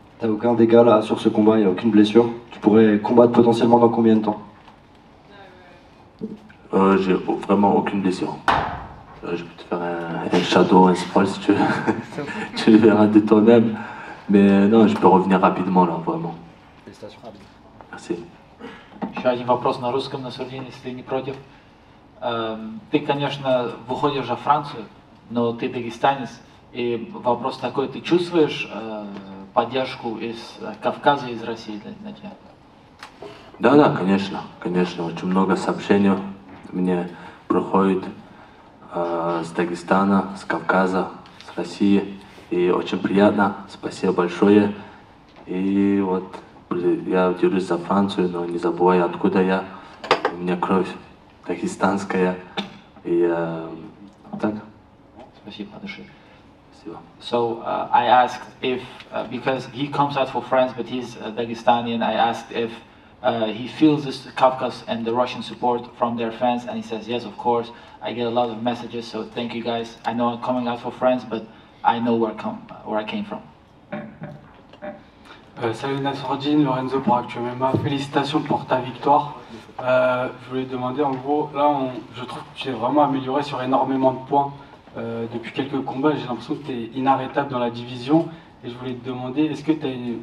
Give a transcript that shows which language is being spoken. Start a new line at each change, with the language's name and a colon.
French: T'as aucun dégât là sur ce combat, il n'y a aucune blessure. Tu pourrais combattre potentiellement dans combien de temps? J'ai vraiment aucune blessure. Je peux te faire un shadow, un sprawl si tu veux. Tu le verras de toi-même. Mais non, je peux revenir rapidement là, vraiment. Félicitations, Khabib. Merci.
Russian: Еще один вопрос на русском, на Сурдине, если ты не против. Ты, конечно, выходишь за Францию, но ты дагестанец. И вопрос такой, ты чувствуешь поддержку из Кавказа, из России для тебя? Да, да, конечно, конечно. Очень много сообщений мне проходит с Дагестана, с Кавказа, с России. И очень приятно, спасибо большое. И вот я держусь за Францию, но не забывай, откуда я. У меня кровь дагестанская. И так. Спасибо, подожди. Спасибо.
English: So I asked if, because he comes out for France, but he's Dagestanian, I asked if he feels this Kavkaz and the Russian support from their fans, and he says, yes, of course. I get a lot of messages, so thank you guys. I know I'm coming out for France, but I know where I came from.
French: Salut Nasruddin, Lorenzo pour ActuMMA, félicitations pour ta victoire. Je voulais demander, en gros, là, je trouve que tu es vraiment amélioré sur énormément de points depuis quelques combats. J'ai l'impression que tu es inarrêtable dans la division. Et je voulais te demander, est-ce que tu as une...